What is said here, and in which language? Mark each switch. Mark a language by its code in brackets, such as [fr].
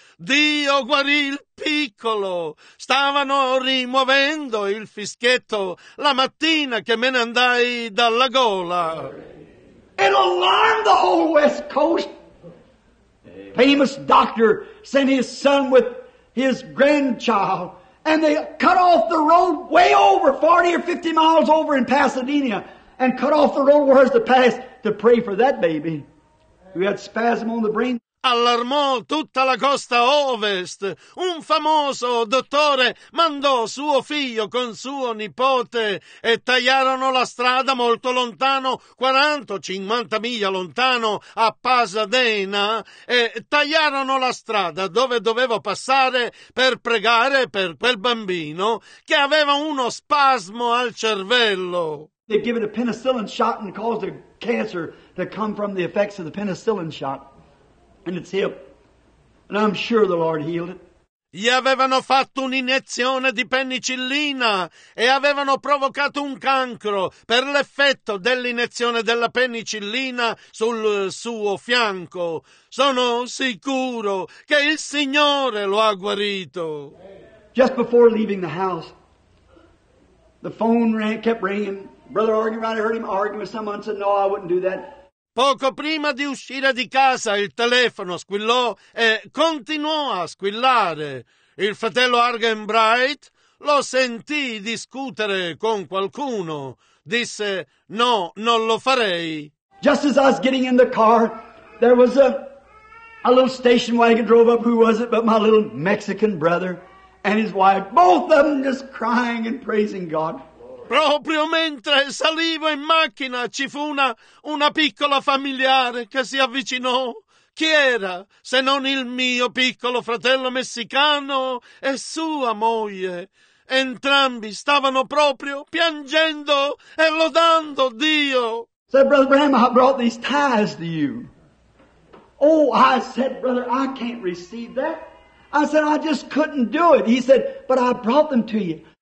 [it] Dio guarì il piccolo. Stavano rimuovendo il fischietto la mattina che me ne andai dalla gola. [en] It alarmed the whole West Coast. Famous doctor sent his son with his grandchild, and they cut off the road way over 40 or 50 miles over in Pasadena, and cut off the road where's to pass to pray for that baby who had spasm on the brain. [it] Allarmò tutta la costa ovest. Un famoso dottore mandò suo figlio con suo nipote e tagliarono la strada molto lontano, 40 o 50 miglia lontano, a Pasadena, e tagliarono la strada dove dovevo passare per pregare per quel bambino che aveva uno spasmo al cervello. [en] They gave it a penicillin shot and caused the cancer to come from the effects of the penicillin shot. And it's him. And I'm sure the Lord healed it. [it] Gli avevano fatto un'iniezione di penicillina e avevano provocato un cancro per l'effetto dell'iniezione della penicillina sul suo fianco. Sono sicuro che il Signore lo ha guarito. [en] Just before leaving the house, the phone kept ringing. Brother Argyright, I heard him arguing with someone, said, no, I wouldn't do that. [it] Poco prima di uscire di casa il telefono squillò e continuò a squillare. Il fratello Argenbright lo sentì discutere con qualcuno. Disse: no, non lo farei. [en] Just as I was getting in the car, there was a little station wagon drove up. Who was it but my little Mexican brother and his wife, both of them just crying and praising God. [it] Proprio mentre salivo in macchina ci fu una piccola familiare che si avvicinò. Chi era se non il mio piccolo fratello messicano e sua moglie? Entrambi stavano proprio piangendo e lodando Dio. [en] Said, Brother Bram, I brought these ties to you. Oh, I said, Brother, I can't receive that. I said, I just couldn't do it. He said, but I brought them to you.